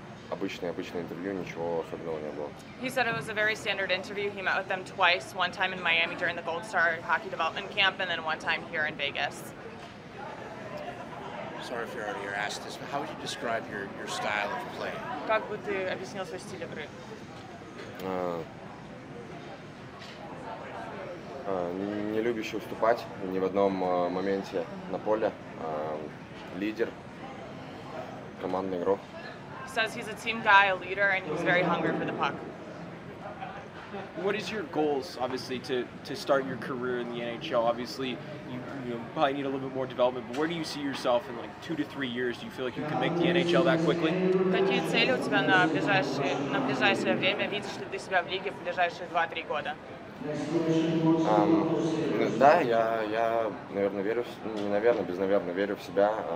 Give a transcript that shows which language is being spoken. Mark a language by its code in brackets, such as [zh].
[ru] Обычное интервью, ничего особенного не было. [en] He said it was a very standard interview. He met with them twice, one time in Miami during the Gold Star Hockey Development Camp, and then one time here in Vegas. Sorry if you already asked this, but how would you describe your style of play? [ru] Как бы ты объяснил свой стиль игры? Не любящий уступать ни в одном моменте на поле, лидер, командный игрок. [en] He says he's a team guy, a leader, and he's very hungry for the puck. What is your goals, obviously, to start your career in the NHL? Obviously, you probably need a little bit more development, but where do you see yourself in like 2 to 3 years? Do you feel like you can make the NHL that quickly? [ru] Какие цели у тебя на ближайшее время? Видишь ли ты себя в лиге в ближайшие 2-3 года? Да, я наверное, верю, не наверное, безнаверно верю в себя.